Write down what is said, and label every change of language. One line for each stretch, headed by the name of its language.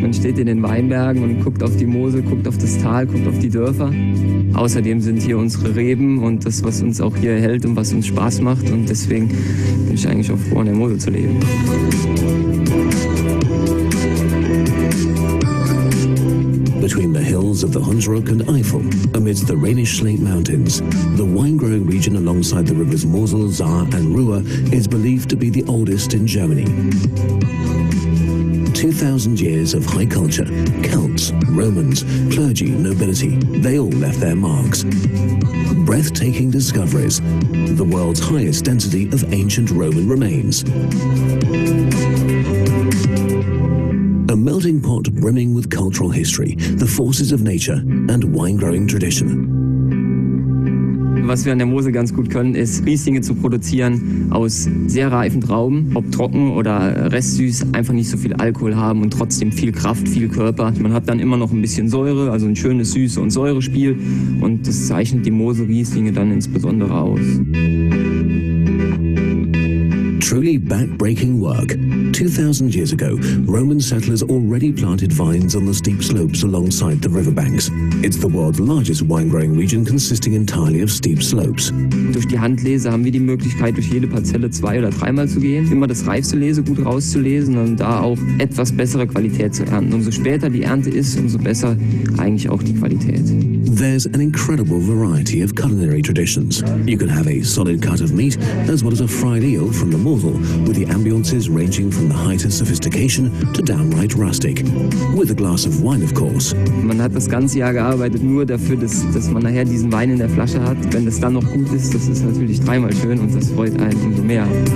German: Man steht in den Weinbergen und guckt auf die Mosel, guckt auf das Tal, guckt auf die Dörfer. Außerdem sind hier unsere Reben und das, was uns auch hier hält und was uns Spaß macht. Und deswegen bin ich eigentlich auch froh, an der Mosel zu leben.
English: Between the hills of the Hunsrück and Eifel, amidst the Rhenish Slate Mountains, the wine-growing region alongside the rivers Mosel, Saar and Ruhr is believed to be the oldest in Germany. 2,000 years of high culture, Celts, Romans, clergy, nobility, they all left their marks. Breathtaking discoveries, the world's highest density of ancient Roman remains. A melting pot brimming with cultural history, the forces of nature and wine-growing tradition.
German: Was wir an der Mosel ganz gut können, ist Rieslinge zu produzieren aus sehr reifen Trauben, ob trocken oder restsüß, einfach nicht so viel Alkohol haben und trotzdem viel Kraft, viel Körper. Man hat dann immer noch ein bisschen Säure, also ein schönes Süße- und Säurespiel und das zeichnet die Mosel-Rieslinge dann insbesondere aus.
English: Truly backbreaking work. 2,000 years ago, Roman settlers already planted vines on the steep slopes alongside the riverbanks. It's the world's largest wine-growing region, consisting entirely of steep slopes.
German: Durch die Handlese haben wir die Möglichkeit, durch jede Parzelle zwei oder dreimal zu gehen, immer das reifste Lese gut rauszulesen und da auch etwas bessere Qualität zu ernten. Umso später die Ernte ist, umso besser eigentlich auch die Qualität.
English: There's an incredible variety of culinary traditions. You can have a solid cut of meat, as well as a fried eel from the Mosel, with the ambiences ranging from the height of sophistication to downright rustic. With a glass of wine, of course.
German: Man hat das ganze Jahr gearbeitet nur dafür, dass man nachher diesen Wein in der Flasche hat. Wenn das dann noch gut ist, das ist natürlich dreimal schön und das freut einen umso mehr.